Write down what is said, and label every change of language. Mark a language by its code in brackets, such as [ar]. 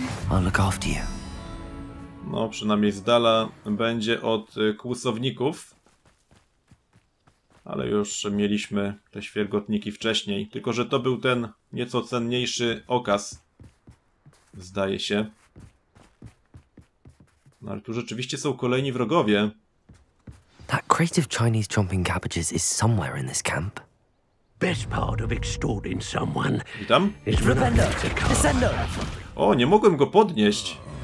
[en] I'll look after you. [pl] No, przynajmniej z dala będzie od kłusowników. Ale już mieliśmy te świergotniki wcześniej. Tylko, że to był ten nieco cenniejszy okaz. Zdaje się. No, ale tu rzeczywiście są kolejni wrogowie. [en] That creative Chinese chomping cabbages is somewhere in this camp. Best part of extorting someone. [pl] Witam. O, nie mogłem go podnieść.